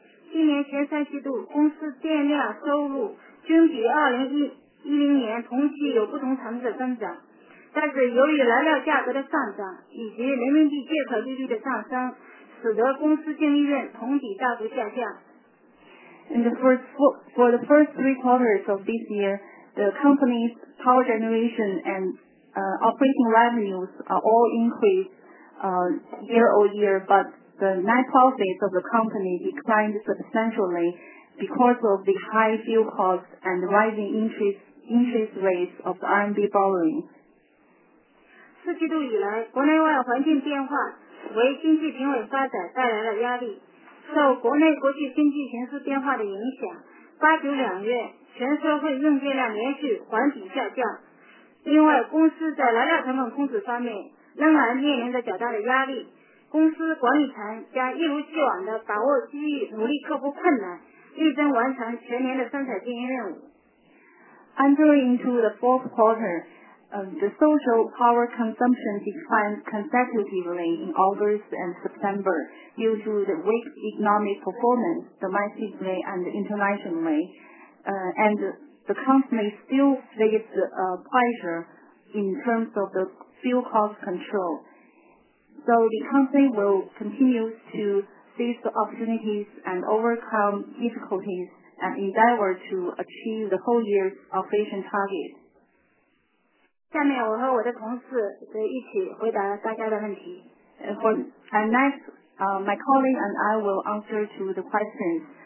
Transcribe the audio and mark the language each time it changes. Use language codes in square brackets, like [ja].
[zh] 今年前三季度公司电量收入均比2010年同期有不同程度的增长，但是由于燃料价格的上涨以及人民币借款利率的上升，使得公司净利润同比大幅下降。 [en] For the first three quarters of this year, the company's power generation andoperating revenues are all increased year over year, but the net profits of the company declined substantially because of the high fuel costs and rising interest rates of RMB borrowing. [zh] 四季度以来，国内外环境变化为经济平稳发展带来了压力。受国内国际经济形势变化的影响，八九两月全社会用电量连续环比下降。另外，公司在燃料成本控制方面仍然面临着较大的压力，公司管理层将一如既往地把握机遇，努力克服困难，力争完成全年的生产经营任务。 [en] Entering into the fourth quarter, the social power consumption declined consecutively in August and September due to the weak economic performance domestically and internationally, and the company still faced pressure in terms of the fuel cost control. So the company will continue to seize the opportunities and overcome difficulties and endeavor to achieve the whole year's operation target. [zh] 下面我和我的同事会一起回答大家的问题。 [en] And next, my colleague and I will answer to the questions.